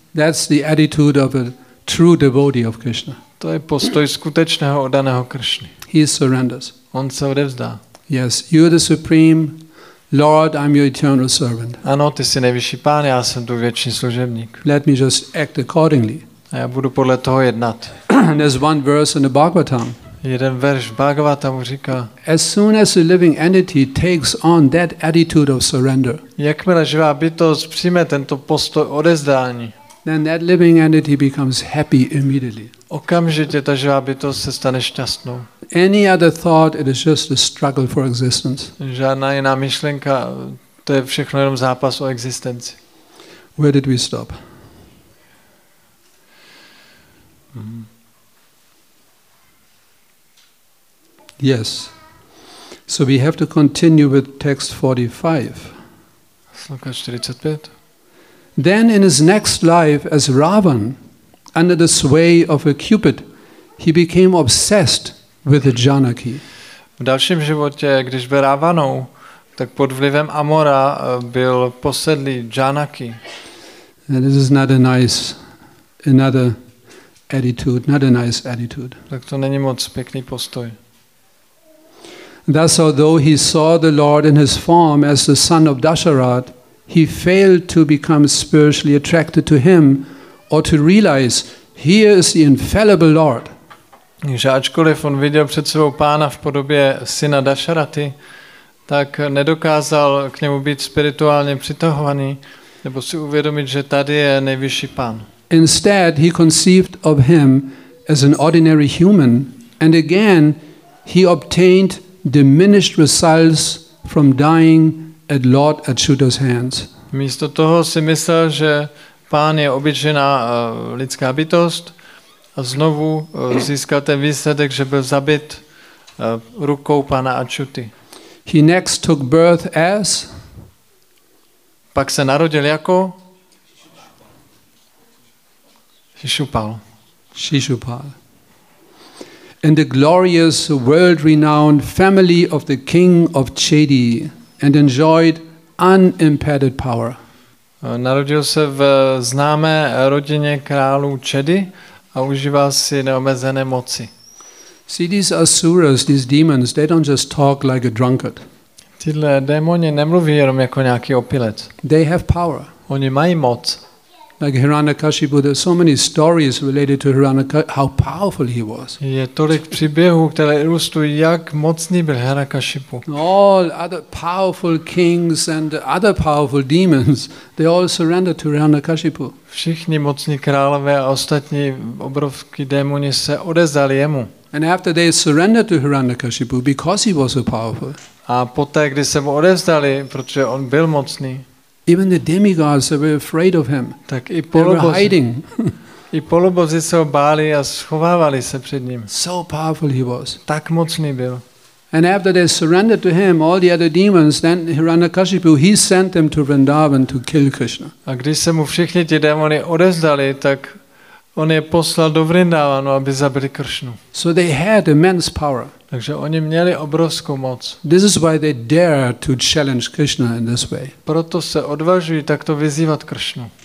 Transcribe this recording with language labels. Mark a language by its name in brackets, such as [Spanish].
[English] That's the attitude of a true devotee of Krishna. [Czech] To je postoj skutečného oddaného Kršny. [English] He surrenders. [Czech] On se odevzdá. [English] Yes, you are the supreme Lord, I'm your eternal servant. [Czech] Ano, ty jsi nejvyšší pán, já jsem tu věčný služebník. [English] Let me just act accordingly. [Czech] A já budu podle toho jednat. [English] There's one verse in the Bhagavatam. [Czech] Jeden verš Bhagavatamu říká. [English] As soon as a living entity takes on that attitude of surrender. [Czech] Jakmile živá bytost přijme tento postoj odevzdání. [English] Then that living entity becomes happy immediately. [Czech] Okamžitě ta živá bytost se stane šťastnou. [English] Any other thought, it is just a struggle for existence. [Czech] Žádná jiná myšlenka, to je všechno jenom zápas o existenci. [English] Where did we stop? Yes. So we have to continue with text 45. Sloka 45. Then in his next life as Ravan, under the sway of a Cupid, he became obsessed with Janaki. [Czech] V dalším životě, když byl Ravanou, tak pod vlivem Amora byl posedlý Janaki. [English] And this is not a nice, another attitude, not a nice attitude. [Czech] Tak to není moc pěkný postoj. [English] Thus, although he saw the Lord in his form as the son of Dasharath, he failed to become spiritually attracted to him or to realize he is the infallible Lord. [Czech] Že ačkoliv on viděl před sebou pána v podobě syna Dasharathy, tak nedokázal k němu být spirituálně přitahovaný nebo si uvědomit, že tady je nejvyšší pán. [English] Instead, he conceived of him as an ordinary human and again he obtained diminished results from dying at Lord Achyuta's hands. [Czech] Místo toho si myslel, že pán je obyčejná lidská bytost a znovu získal ten výsledek, že byl zabit rukou pána Achyuty. [English] He next took birth as? [Czech] Pak se narodil jako? [English] Shishupal. [Czech] Shishupal. [English] In the glorious world-renowned family of the king of Chedi and enjoyed unimpeded power. [Czech] Narodil se v známé rodině králů Chedi a užíval si neomezené moci. [English] See, these asuras, these demons, they don't just talk like a drunkard. [Czech] Tyhle démoni nemluví jenom jako nějaký opilec. [English] They have power. [Czech] Oni mají moc. [English] Like Hiranyakashipu, there are so many stories related to Hiranyakashipu, how powerful he was. [Czech] Je tolik příběhů, které ilustrují, jak mocný byl Hiranyakashipu. [English] All other powerful kings and other powerful demons, they all surrendered to Hiranyakashipu. [Czech] Všichni mocní králové a ostatní obrovský démoni se odezdali jemu. [English] And after they surrendered to Hiranyakashipu, because he was so powerful. [Czech] A poté, když se mu odevzdali, protože on byl mocný. [English] Even the demigods were afraid of him. [Czech] Tak i polubozy, [English] they were hiding. [Czech] I polubozy se ho báli a schovávali se před ním. [English] So powerful he was. [Czech] Tak mocný byl. [English] And after they surrendered to him, all the other demons, then Hiranyakashipu, he sent them to Vrindavan to kill Krishna. [Czech] A když se mu všichni ti démoni odezdali, tak on je poslal do Vrindavanu, aby zabili Kršnu. [English] So they had immense power. [Czech] Takže oni měli obrovskou moc. [English] This is why they dare to challenge Krishna in this way. [Czech] Proto se odvažují takto vyzývat Kršnu.